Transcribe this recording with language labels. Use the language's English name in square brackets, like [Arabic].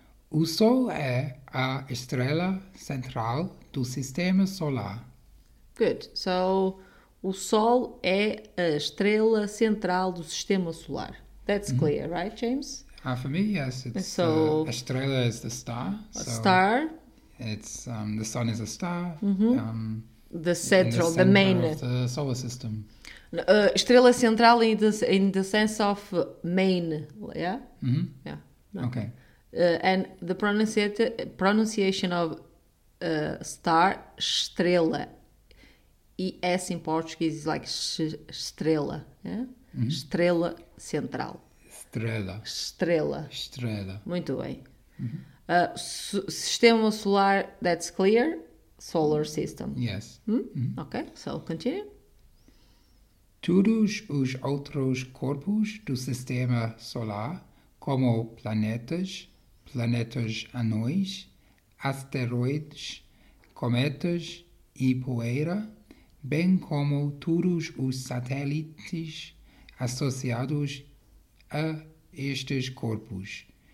[Portuguese] O Sol é a estrela central do Sistema Solar. [English] Good. [Portuguese] So, o Sol é a estrela central do Sistema Solar. [English] That's clear, mm-hmm. Right, James? For me, yes. It's so, estrela is the star. So a star. It's the sun is a star. Mm-hmm. The central, in the main. Of the solar system. Estrela central in the sense of main, yeah. Mm-hmm. Yeah. No. Okay. And the pronunciation of star, estrela. E S in Portuguese is like estrela, yeah. [Portuguese] Mm-hmm. Estrela central. Estrela. Estrela. Estrela. Muito bem. Mm-hmm. [English] Sistema solar, that's clear. Solar system. Yes. Mm-hmm. Ok, so continue. [Portuguese] Todos os outros corpos do sistema solar, como planetas, planetas anões, asteroides, cometas e poeira, bem como todos os satélites associados a estes corpos,